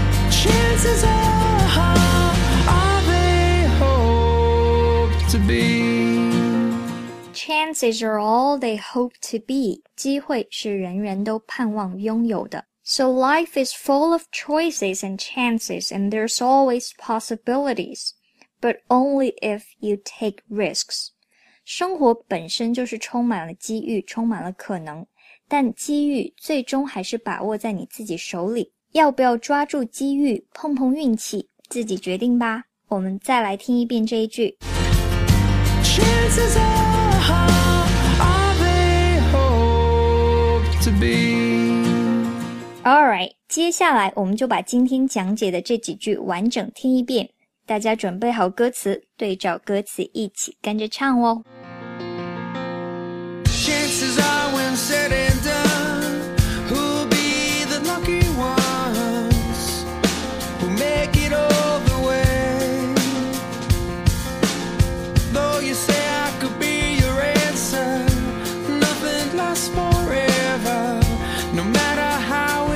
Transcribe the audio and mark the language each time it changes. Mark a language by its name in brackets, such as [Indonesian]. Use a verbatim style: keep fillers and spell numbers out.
[English] Chances are all they hope to be Chances are all they hope to be [Chinese] 机会是人人都盼望拥有的 [English] So life is full of choices and chances, and there's always possibilities, but only if you take risks. [Chinese] 生活本身就是充满了机遇，充满了可能，但机遇最终还是把握在你自己手里。要不要抓住机遇，碰碰运气，自己决定吧。我们再来听一遍这一句。 [English] Chances are all they hope to be. Alright, [Chinese] 接下来我们就把今天讲解的这几句完整听一遍。大家准备好歌词，对照歌词一起跟着唱哦。 [English] Chances are when said and done, who'll be the lucky ones who make it all the way. Though you say I could be your answer, nothing lasts forever, no matter how.